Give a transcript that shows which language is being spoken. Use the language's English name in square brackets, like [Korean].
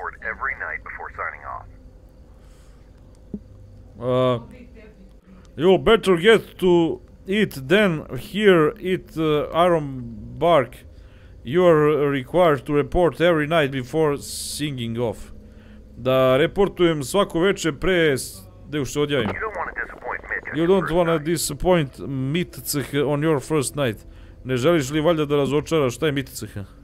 [English] every night before signing off. You better get to eat then here at Iron Bark. You are required to report every night before singing off. [Serbian] Da reportujem svako veče pre nego što odjavim. [English] You don't want to disappoint Mitcih on your first night. [Serbian] Ne želiš li valjda da razočaraš šta je Mitcih?